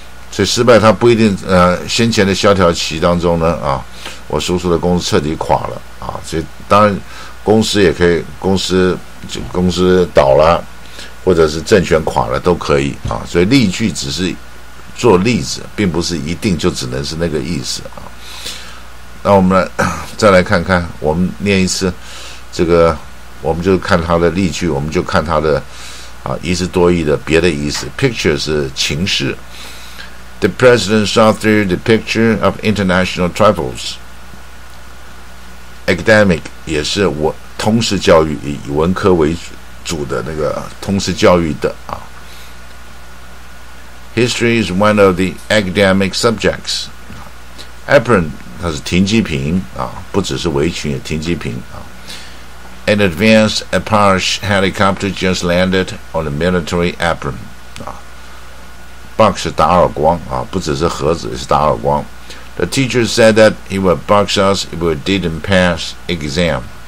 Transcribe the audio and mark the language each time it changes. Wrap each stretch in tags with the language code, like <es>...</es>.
<zh>所以失败它不一定先前的萧条期当中呢啊，我叔叔的公司彻底垮了啊，所以当然公司倒了或者是政权垮了都可以啊，所以例句只是做例子，并不是一定就只能是那个意思啊。那我们再来看看，我们念一次这个，我们就看它的例句，我们就看它的啊一字多义的别的意思。 picture 是情势。</zh> <en>The president saw through the picture of international trifles.</en> <zh>Academic 也是我通识教育，以文科为主的那个通识教育的啊。</zh> <en>History is one of the academic subjects.</en> <zh>Apron 它是停机坪啊，不只是围裙，也停机坪啊。</zh> <en>An advanced Apache helicopter just landed on a military apron.</en> <zh>Box 是打耳光啊，不只是盒子，也是打耳光。</zh> <en>The teacher said that he would box us if we didn't pass exam.</en>